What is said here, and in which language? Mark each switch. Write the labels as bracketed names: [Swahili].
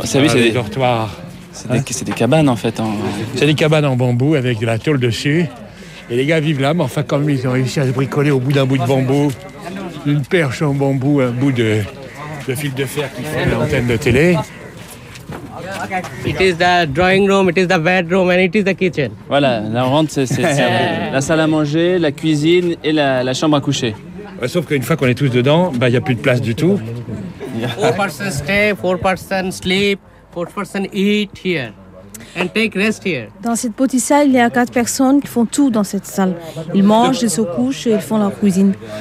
[French] des dortoirs. C'est des cabanes en fait. C'est des cabanes en bambou avec de la tôle dessus. Et les gars vivent là, mais enfin comme ils ont réussi à se bricoler au bout d'un bout de bambou, une perche en bambou, un bout de fil de fer qui fait l'antenne de télé. [English] It is the drawing room, it is the bedroom, and it is the kitchen. [French] Voilà, là on rentre, c'est la salle à manger, la cuisine et la chambre à coucher. Ouais, sauf qu'une fois qu'on est tous dedans, bah, y a plus de place du tout. [English] 4 persons stay, 4 persons sleep. 4 persons eat here and take rest here. [French] Dans cette petite salle, il y a 4 personnes qui font tout dans cette salle. Ils mangent, ils se couchent et ils font leur cuisine.